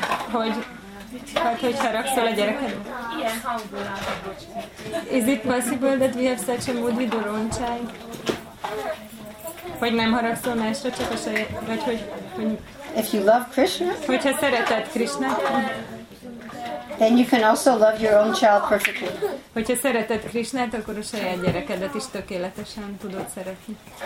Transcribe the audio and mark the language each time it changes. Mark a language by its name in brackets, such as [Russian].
[Hungarian] Hogy haragszol a gyereked? Ilyen hangulat. [English] Is it possible that we have such a mood with our own child? [Hungarian] Hogy nem haragszol másra, csak a saját, vagy hogy [English] if you love Krishna, [Hungarian] hogyha szereted Krishna, [English] then you can also love your own child perfectly. [Hungarian] Hogyha szereted Krishnát, akkor a saját gyerekedet is tökéletesen tudod szeretni.